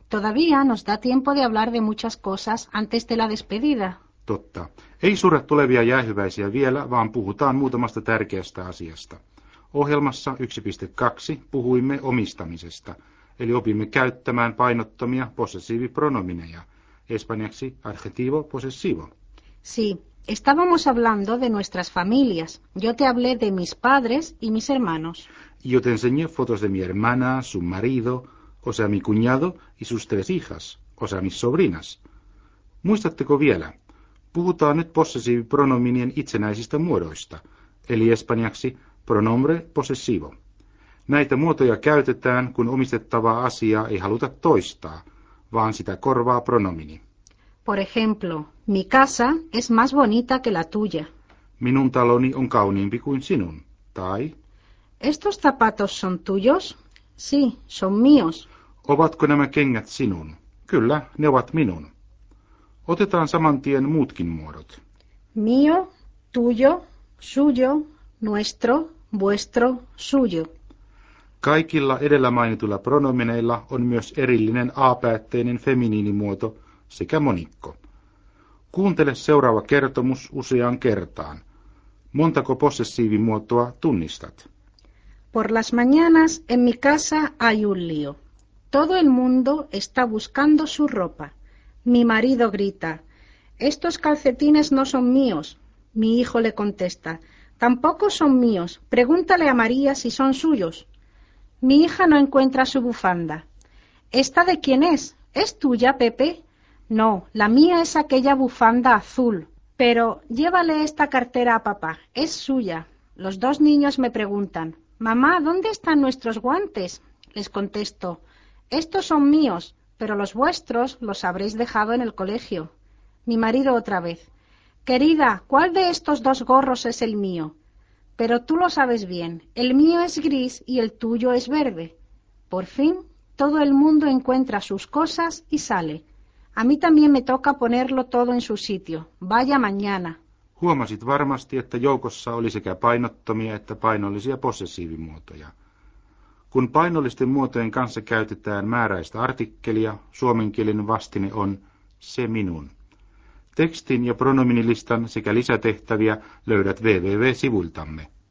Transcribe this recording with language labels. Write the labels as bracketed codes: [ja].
[es] Todavía nos da tiempo de hablar de muchas cosas antes de la despedida. [fi] Totta. Ei surra tulevia jäähyväisiä vielä, vaan puhutaan muutamasta tärkeästä asiasta. Ohjelmassa 1.2 puhuimme omistamisesta, eli opimme käyttämään painottomia possessiivipronomineja, espanjaksi adjetivo possessivo. [es] Sí, estábamos hablando de nuestras familias. Yo te hablé de mis padres y mis hermanos. Yo te enseñé fotos de mi hermana, su marido, o sea, mi cuñado, y sus tres hijas, o sea, mis sobrinas. [fi] Muistatteko vielä? Puhutaan nyt possessiivipronominien itsenäisistä muodoista, eli espanjaksi pronombre possessivo. Näitä muotoja käytetään, kun omistettavaa asiaa ei haluta toistaa, vaan sitä korvaa pronomini. [es] Por ejemplo, mi casa es más bonita que la tuya. [fi] Minun taloni on kauniimpi kuin sinun, tai... [es] ¿Estos zapatos son tuyos? Sí, son míos. [fi] Ovatko nämä kengät sinun? Kyllä, ne ovat minun. Otetaan saman tien muutkin muodot. [es] Mío, tuyo, suyo, nuestro, vuestro, suyo. [fi] Kaikilla edellä mainituilla pronomineilla on myös erillinen a-päätteinen feminiinimuoto sekä monikko. Kuuntele seuraava kertomus useaan kertaan. Montako possessiivimuotoa tunnistat? [es] Por las mañanas en mi casa hay un lío. Todo el mundo está buscando su ropa. Mi marido grita, estos calcetines no son míos. Mi hijo le contesta, tampoco son míos. Pregúntale a María si son suyos. Mi hija no encuentra su bufanda. ¿Esta de quién es? ¿Es tuya, Pepe? No, la mía es aquella bufanda azul. Pero llévale esta cartera a papá, es suya. Los dos niños me preguntan, mamá, ¿dónde están nuestros guantes? Les contesto, estos son míos, pero los vuestros los habréis dejado en el colegio. Mi marido otra vez, querida, ¿cuál de estos dos gorros es el mío? Pero tú lo sabes bien, el mío es gris y el tuyo es verde. Por fin, todo el mundo encuentra sus cosas y sale. A mí también me toca ponerlo todo en su sitio. Vaya mañana. [fi] Huomasit varmasti, että joukossa oli sekä painottomia että painollisia possessiivimuotoja. Kun painollisten muotojen kanssa käytetään määräistä artikkelia, suomenkielinen vastine on se minun. Tekstin ja pronominilistan sekä lisätehtäviä löydät www-sivuiltamme.